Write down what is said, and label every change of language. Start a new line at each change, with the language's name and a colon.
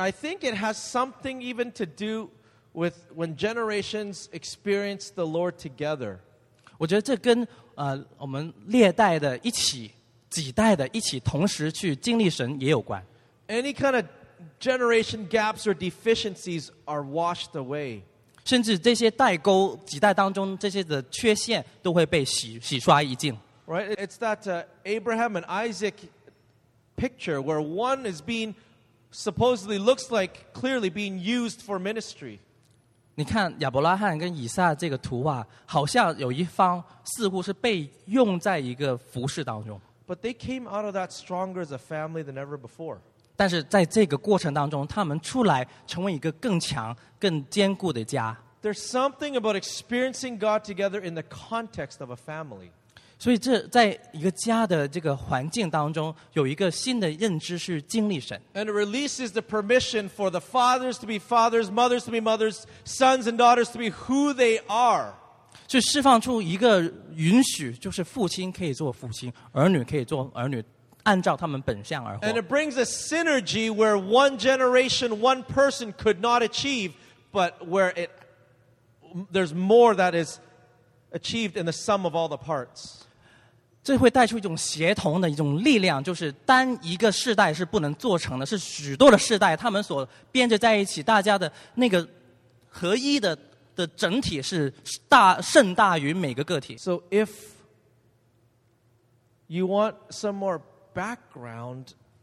English: I think it has something even to do with when generations experience the Lord together.
Chinese: 我觉得这跟我们列代的一起，几代的一起同时去经历神也有关。
English: Any kind of generation gaps or deficiencies are washed away.
Chinese: 甚至这些代沟几代当中这些的缺陷都会被 洗刷一净。
English: Right, it's that Abraham and Isaac picture where one is being supposedly looks like clearly being used for ministry.
Chinese: 你看亚伯拉罕跟以撒这个图画，好像有一方似乎是被用在一个服事当中。
English: But they came out of that stronger as a family than ever before.
Chinese: 但是在这个过程当中，他们出来成为一个更强、更坚固的家。
English: There's something about experiencing God together in the context of a family.
Chinese: 所以这在一个家的这个环境当中，有一个新的认知是经历神。
English: And it releases the permission for the fathers to be fathers, mothers to be mothers, sons and daughters to be who they are.
Chinese: 就释放出一个允许，就是父亲可以做父亲，儿女可以做儿女。按照他们本相而活。
English: And it brings a synergy where one generation, one person could not achieve, but where it, there's more that is achieved in the sum of all the parts.
Chinese: 这会带出一种协同的一种力量，就是单一个世代是不能做成的，是许多的世代他们所编织在一起，大家的那个合一 的整体是大胜大于每个个体。
English: So if you want some more background,